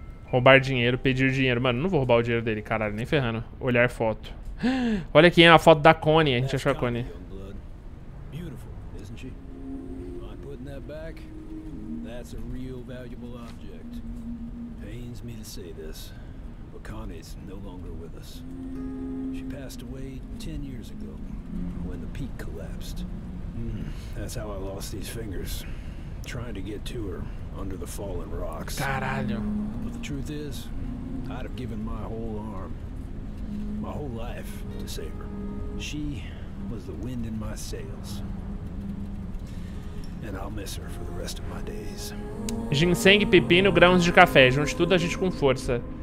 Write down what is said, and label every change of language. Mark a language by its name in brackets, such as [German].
[Portuguese] Roubar dinheiro, pedir dinheiro. Mano, não vou roubar o dinheiro dele, caralho, nem ferrando. Olhar foto. Olha aqui, é a foto da Connie. A gente achou a Connie. [English] Beautiful, isn't she? By putting that back, that's a real valuable object. Pains me to say this. Connie's no longer with us. She passed away 10 years ago when the peak collapsed. That's how I lost these fingers, trying to get to her under the fallen rocks. [Portuguese] Caralho. [English] But the truth is, I'd have given my whole arm, my whole life to save her. She was the wind in my sails. And I'll miss her for the rest of my days. [Portuguese] Ginseng, pepino, grãos de café, junte tudo a gente com força.